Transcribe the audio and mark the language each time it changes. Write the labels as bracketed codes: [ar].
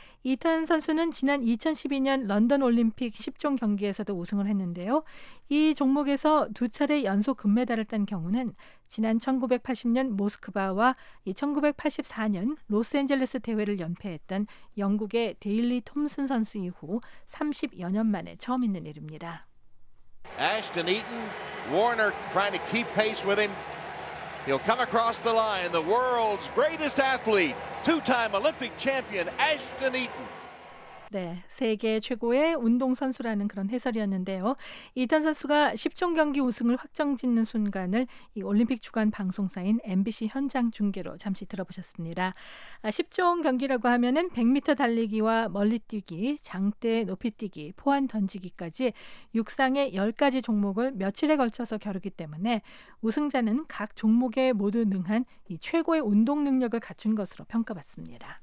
[ko] 이턴 선수는 지난 2012년 런던 올림픽 10종 경기에서도 우승을 했는데요. 이 종목에서 두 차례 연속 금메달을 딴 경우는 지난 1980년 모스크바와 1984년 로스앤젤레스 대회를 연패했던 영국의 데일리 톰슨 선수 이후 30여 년 만에 처음 있는 일입니다. [en] Ashton Eaton, Warner trying to keep pace with him. He'll come across the line, the world's greatest athlete. Two-time Olympic champion Ashton Eaton. [ko] 네, 세계 최고의 운동선수라는 그런 해설이었는데요. 이턴 선수가 10종 경기 우승을 확정짓는 순간을 이 올림픽 주간 방송사인 MBC 현장 중계로 잠시 들어보셨습니다. 아, 10종 경기라고 하면은 100m 달리기와 멀리뛰기, 장대 높이뛰기, 포환 던지기까지 육상의 10가지 종목을 며칠에 걸쳐서 겨루기 때문에 우승자는 각 종목에 모두 능한 이 최고의 운동 능력을 갖춘 것으로 평가받습니다.